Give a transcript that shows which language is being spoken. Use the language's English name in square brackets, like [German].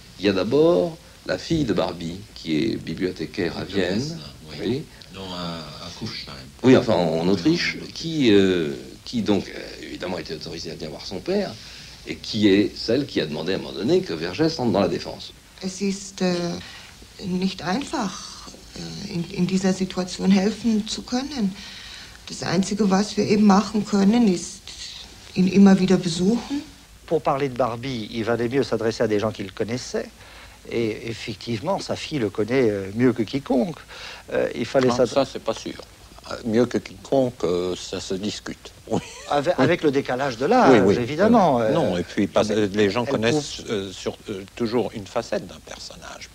[French] Il y a d'abord la fille de Barbie, qui est bibliothécaire à Vienne. Oui. Non, à Kufstein. Oui, enfin, en Autriche, qui donc, évidemment, était autorisée à venir voir son père, et qui est celle qui a demandé à un moment donné que Vergès entre dans la défense. [German] Es ist nicht einfach, in dieser Situation helfen zu können. Das Einzige, was wir eben machen können, ist ihn immer wieder besuchen. [French] Pour parler de Barbie, il valait mieux s'adresser à des gens qu'il connaissait. Et effectivement, sa fille le connaît mieux que quiconque. Il fallait ça. Ça, c'est pas sûr. Mieux que quiconque, ça se discute. Oui. Avec le décalage de l'âge, oui, oui. Évidemment. Non, et puis les gens connaissent toujours une facette d'un personnage.